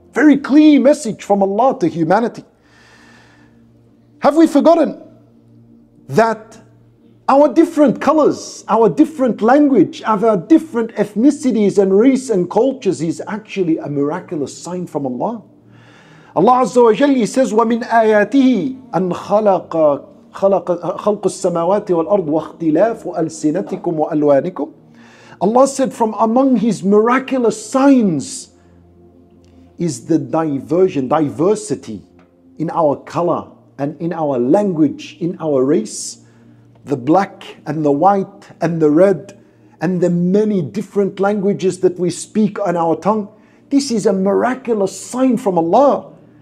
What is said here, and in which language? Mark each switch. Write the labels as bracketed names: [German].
[English] Very clear message from Allah to humanity. Have we forgotten that our different colors, our different language, our different ethnicities and race and cultures is actually a miraculous sign from Allah? [Arabic] Allah Azza wa Jalla says, وَمِنْ آيَاتِهِ أَنْ خَلَقُ السَّمَاوَاتِ وَالْأَرْضِ وَاخْتِلَافُ أَلْسِنَتِكُمْ وَأَلْوَانِكُمْ. [English] Allah said, from among His miraculous signs is the diversity in our color and in our language, in our race, the black and the white and the red and the many different languages that we speak on our tongue. This is a miraculous sign from Allah.